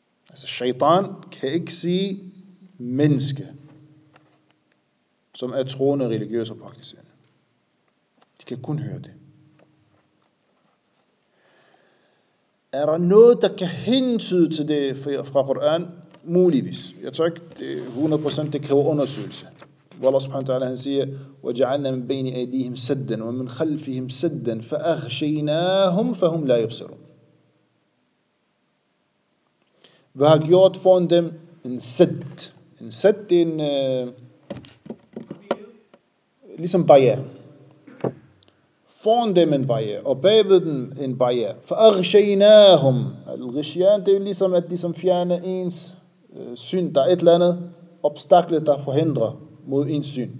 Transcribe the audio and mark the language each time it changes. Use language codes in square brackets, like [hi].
[da] Altså, shaitan kan ikke sige menneske, som er troende, religiøs og praktiserende. De kan kun høre det. Er der noget, der kan hentyde til det fra Koran? Muligvis. Jeg tror ikke, det 100% det kræver undersøgelse. Hvor Allah subhanahu wa ta'ala, han siger, [ar] وَجَعَلْنَا مِنْ بَيْنِ أَيْدِيهِمْ سَدًّا وَمِنْ خَلْفِهِمْ سَدًّا فَأَغْشَيْنَاهُمْ فَهُمْ لَا يُبْصِرُونَ. [da] Vi har gjort foran dem en sæt. En sæt, det er en ligesom barriere. foran dem en barriere, og bagved dem en barriere. For arshaynahum, al-rishyan, det er jo ligesom at ligesom fjerne ens syn, der er et eller andet obstakle, der forhindrer mod ens syn.